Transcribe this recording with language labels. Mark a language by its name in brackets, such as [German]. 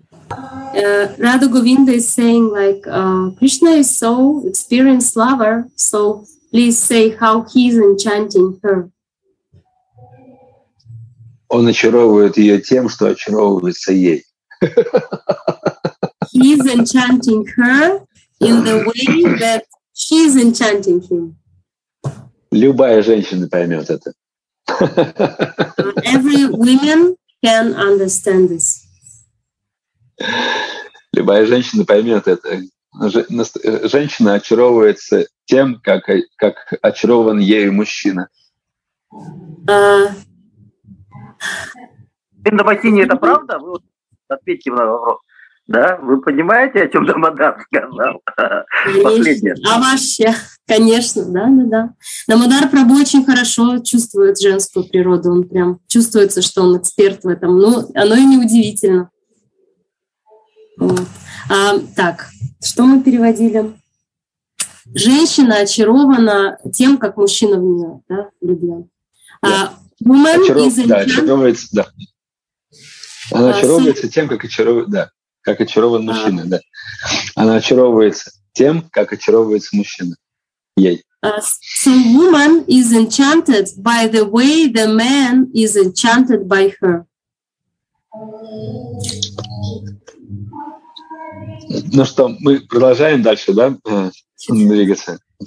[English] Radha Govinda is saying like Krishna is so experienced lover, so please say how he is enchanting her. [Russian] Он очаровывает ее тем, что очаровывается ей. [English] He is enchanting her in the way that she is enchanting him. [Russian] Любая женщина поймет это. [English] Every woman can understand this. [Russian] Любая женщина поймет это. Женщина очаровывается тем, как очарован ею мужчина. Индобахини, это правда? Вы ответьте на вопрос. Да? Вы понимаете, о чем Дамодар сказал? Последнее. А вообще, конечно, да. Дамодар Прабу очень хорошо чувствует женскую природу. Он прям чувствуется, что он эксперт в этом. Ну, оно и не удивительно. Вот. Так, что мы переводили? Женщина очарована тем, как мужчина в нее, да, влюблён. [English] Yeah. Woman [Russian] очаровывается, да. Она очаровывается тем, как очарован мужчина, да. Она очаровывается тем, как очаровывается мужчина. Ей. [English] So woman is enchanted by the way the man is enchanted by her. [Russian] Ну что, мы продолжаем дальше, да, двигаться?